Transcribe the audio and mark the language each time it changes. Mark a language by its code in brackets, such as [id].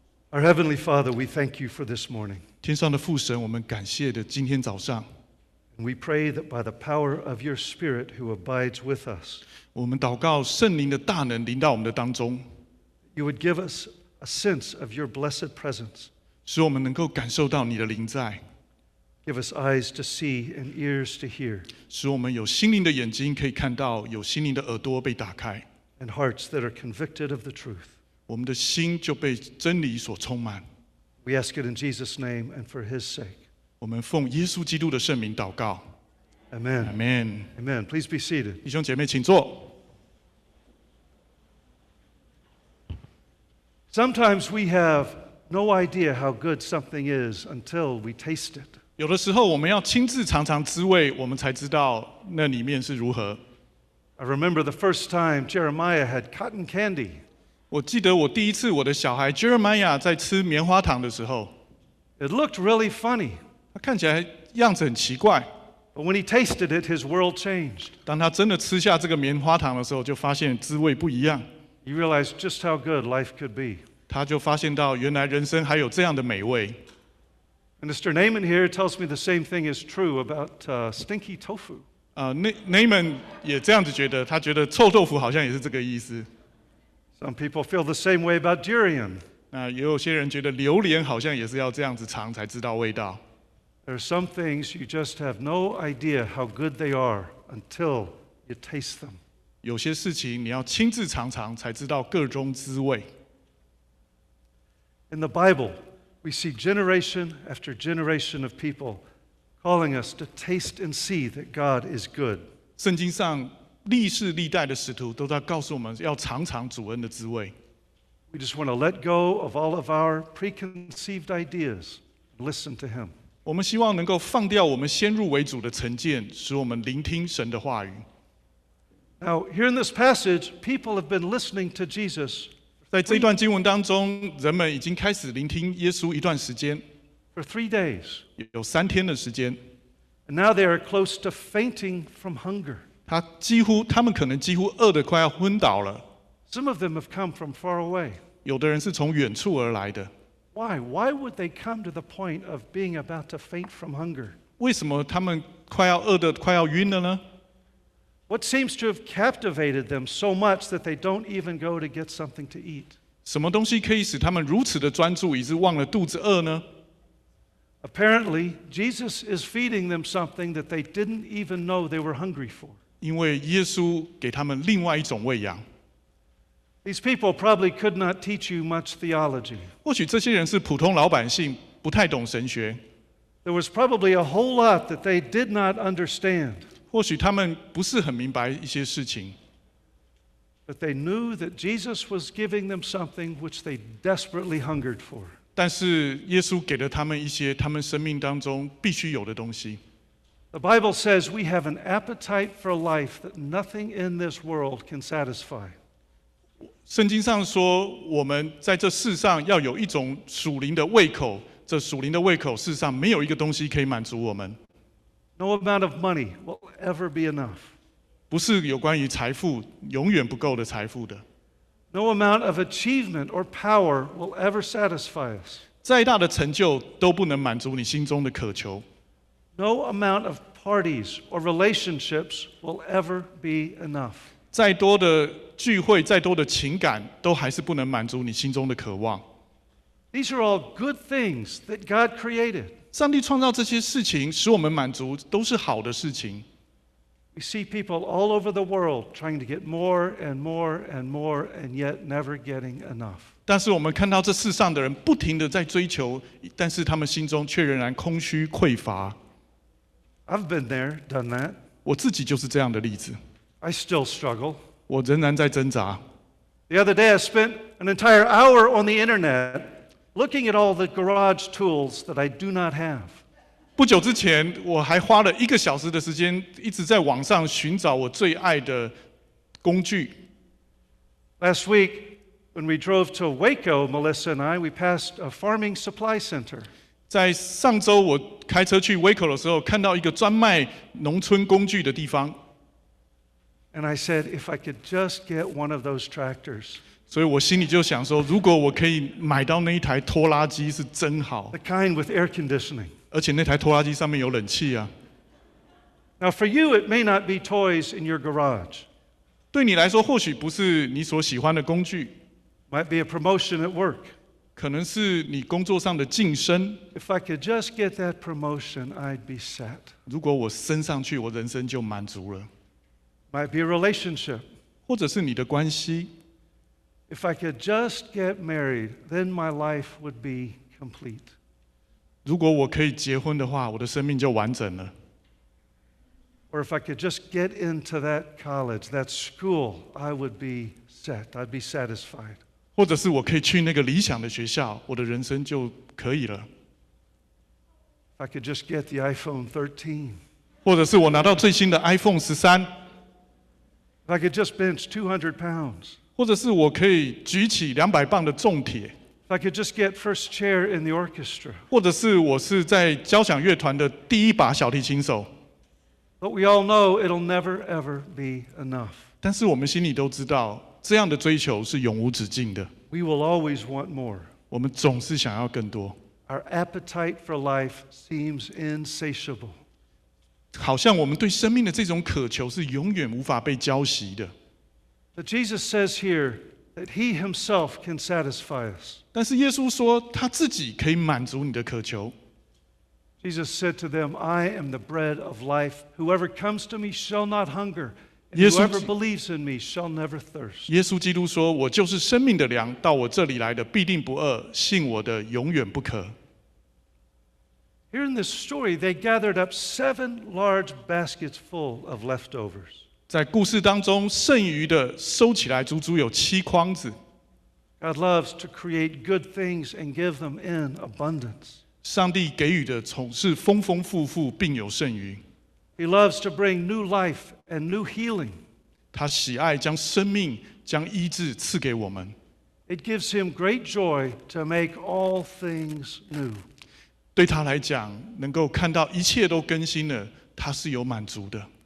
[en] Our heavenly Father, we thank you for this morning. [zh] 天上的父神，我们感谢的今天早上。 [en] And we pray that by the power of your Spirit who abides with us. [zh] 我们祷告圣灵的大能临到我们的当中。 [en] You would give us a sense of your blessed presence. [zh] 使我们能够感受到你的临在。 [en] Give us eyes to see and ears to hear. [zh] 使我们有心灵的眼睛可以看到，有心灵的耳朵被打开。 [en] And hearts that are convicted of the truth. [zh] 我们的心就被真理所充满。 [en] We ask it in Jesus' name and for His sake. [zh] 我们奉耶稣基督的圣名祷告。 [en] Amen. Amen. Amen. Please be seated. [zh] 弟兄姐妹，请坐。 [en] Sometimes we have no idea how good something is until we taste it. [zh] 有的时候我们要亲自尝尝滋味，我们才知道那里面是如何。 [en] I remember the first time Jeremiah had cotton candy. [zh] 我记得我第一次我的小孩 Jeremiah 在吃棉花糖的时候。 [en] It looked really funny. [zh] 他看起来样子很奇怪。 [en] But when he tasted it, his world changed. [zh] 当他真的吃下这个棉花糖的时候，就发现滋味不一样。 [en] He realized just how good life could be. [zh] 他就发现到原来人生还有这样的美味。 [en] And Mr. Naaman here tells me the same thing is true about stinky tofu. [zh] Naaman 也这样子觉得，他觉得臭豆腐好像也是这个意思。 [en] Some people feel the same way about durian. [zh] 那也有些人觉得榴莲好像也是要这样子尝才知道味道。 [en] There are some things you just have no idea how good they are until you taste them. [zh] 有些事情你要亲自尝尝才知道各中滋味。 [en] In the Bible, we see generation after generation of people calling us to taste and see that God is good. [zh] 圣经上历世历代的使徒都在告诉我们要尝尝主恩的滋味。 [en] We just want to let go of all of our preconceived ideas. Listen to him. [zh] 我们希望能够放掉我们先入为主的成见，使我们聆听神的话语。 [en] Now, here in this passage, people have been listening to Jesus. [zh] 在这段经文当中，人们已经开始聆听耶稣一段时间。 [en] For 3 days. [zh] 有三天的时间。 [en] And now they are close to fainting from hunger. [zh] 他们可能几乎饿得快要昏倒了。 [en] Some of them have come from far away. [zh] 有的人是从远处而来的。 [en] Why? Why would they come to the point of being about to faint from hunger? [zh] 为什么他们快要饿得快要晕了呢？ [en] What seems to have captivated them so much that they don't even go to get something to eat? [zh] 什么东西可以使他们如此的专注，以致忘了肚子饿呢？ [en] Apparently, Jesus is feeding them something that they didn't even know they were hungry for. [zh] 因为耶稣给他们另外一种喂养。 [en] These people probably could not teach you much theology. [zh] 或许这些人是普通老百姓，不太懂神学。 [en] There was probably a whole lot that they did not understand. [zh] 或许他们不是很明白一些事情。 [en] But they knew that Jesus was giving them something which they desperately hungered for. [zh] 但是耶稣给了他们一些他们生命当中必须有的东西。 [en] The Bible says we have an appetite for life that nothing in this world can satisfy. [zh] 圣经上说，我们在这世上要有一种属灵的胃口，这属灵的胃口世上没有一个东西可以满足我们。 [en] No amount of money will ever be enough. [zh] 不是有关于财富，永远不够的财富的。 [en] No amount of achievement or power will ever satisfy us. [zh] 再大的成就都不能满足你心中的渴求。 [en] No amount of parties or relationships will ever be enough. [zh] 再多的聚会，再多的情感，都还是不能满足你心中的渴望。 [en] These are all good things that God created. [zh] 上帝创造这些事情使我们满足，都是好的事情。 [en] We see people all over the world trying to get more and more and more and yet never getting enough. [zh] 但是我们看到这世上的人不停地在追求，但是他们心中却仍然空虚匮乏。 [en] I've been there, done that. [zh] 我自己就是这样的例子。 [en] I still struggle. [zh] 我仍然在挣扎。 [en] The other day, I spent an entire hour on the internet looking at all the garage tools that I do not have. [zh] 不久之前，我还花了一个小时的时间，一直在网上寻找我最爱的工具。 [en] Last week, when we drove to Waco, Melissa and I, we passed a farming supply center. [zh] 在上周，我开车去 Waco 的时候，看到一个专卖农村工具的地方。 [en] And I said, if I could just get one of those tractors. [zh] 所以我心里就想说，如果我可以买到那一台拖拉机是真好。 [en] The kind with air conditioning. [zh] 而且那台拖拉机上面有冷气啊。 [en] Now for you, it may not be toys in your garage. [zh] 对你来说，或许不是你所喜欢的工具。 [en] Might be a promotion at work. [zh] 可能是你工作上的晋升。 [en] If I could just get that promotion, I'd be set. [zh] 如果我升上去，我人生就满足了。 [en] Might be a relationship. [zh] 或者是你的关系。 [en] If I could just get married, then my life would be complete. [zh] 如果我可以结婚的话，我的生命就完整了。 [en] Or if I could just get into that college, that school, I would be set. I'd be satisfied. [zh] 或者是我可以去那个理想的学校，我的人生就可以了。 [en] If I could just get the iPhone 13. [zh] 或者是我拿到最新的 iPhone 13。 [en] If I could just bench 200 pounds. [zh] 或者是我可以举起200磅的重铁。 [en] If I could just get first chair in the orchestra. [zh] 或者是我是在交响乐团的第一把小提琴手。 [en] But we all know it'll never ever be enough. [zh] 但是我们心里都知道，这样的追求是永无止境的。 [en] We will always want more. [zh] 我们总是想要更多。 [en] Our appetite for life seems insatiable. [zh] 好像我们对生命的这种渴求是永远无法被浇熄的。 [en] But Jesus says here that he himself can satisfy us. [zh] 但是耶稣说他自己可以满足你的渴求。 [en] Jesus said to them, I am the bread of life. Whoever comes to me shall not hunger. Whoever believes in me shall never thirst. [zh] 耶稣基督说，我就是生命的粮，到我这里来的必定不饿，信我的永远不渴。 [en] Here in this story, they gathered up 7 large baskets full of leftovers. [zh] 在故事当中，剩余的收起来足足有七筐子。 [en] God loves to create good things and give them in abundance. [zh] 上帝给予的总是丰丰富富，并有剩余。 [en] He loves to bring new life and new healing. [zh] 他喜爱将生命、将医治赐给我们。 [en] It gives him great joy to make all things new. [zh] 对他来讲，能够看到一切都更新了，他是有满足的。